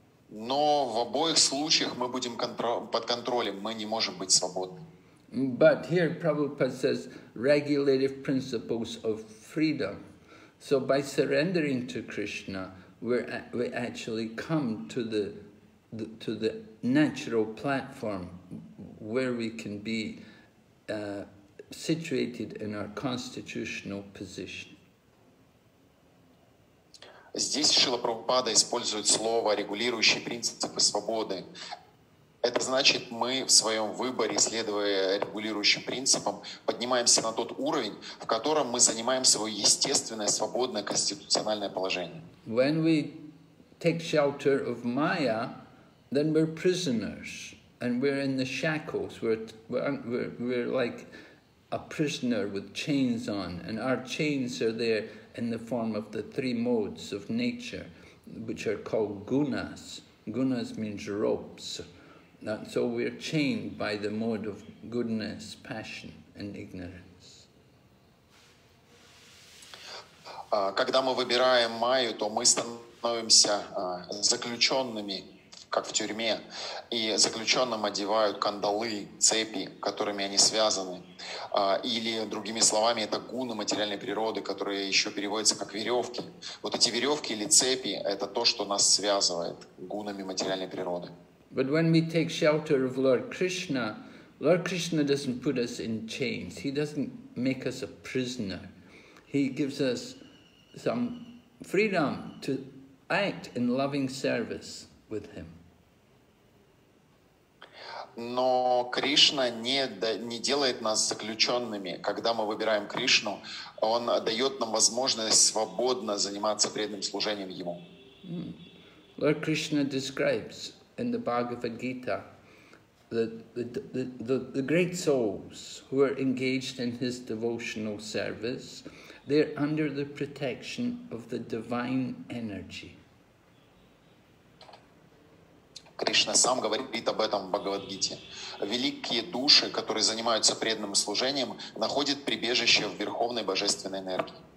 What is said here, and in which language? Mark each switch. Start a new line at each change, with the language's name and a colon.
Russian: Но в обоих случаях мы будем под контролем, мы не можем быть свободны.
English: But here Prabhupada says regulative principles of freedom. So by surrendering to Krishna, we actually come to the natural platform where we can be situated in our constitutional position.
Russian: Здесь Шрила Прабхупада использует слово «регулирующие принципы свободы». Это значит, мы в своем выборе, следуя регулирующим принципам, поднимаемся на тот уровень, в котором мы занимаем свое естественное, свободное конституциональное положение.
English: When we take shelter of Maya, then we're prisoners, and we're in the shackles. We're like a prisoner with chains on, and our chains are there in the form of the three modes of nature, which are called gunas. Gunas means ropes. And so we are chained by the mode of goodness, passion and ignorance.
Russian: Когда мы выбираем майю, то мы становимся заключенными, как в тюрьме, и заключенным одевают кандалы, цепи, которыми они связаны. Или, другими словами, это гуны материальной природы, которые еще переводятся как веревки. Вот эти веревки или цепи — это то, что нас связывает гунами материальной природы.
English: But when we take shelter of Lord Krishna doesn't put us in chains. He doesn't make us a prisoner. He gives us some freedom to act in loving service with Him.
Russian: Но Кришна не делает нас заключенными. Когда мы выбираем Кришну, Он дает нам возможность свободно заниматься преданным служением Ему.
English: Lord Krishna describes in the Bhagavad Gita the great souls who are engaged in His devotional service, they are under the protection of the divine energy.
Russian: Кришна сам говорит об этом в Бхагавад-гите. Великие души, которые занимаются преданным служением, находят прибежище в Верховной Божественной Энергии.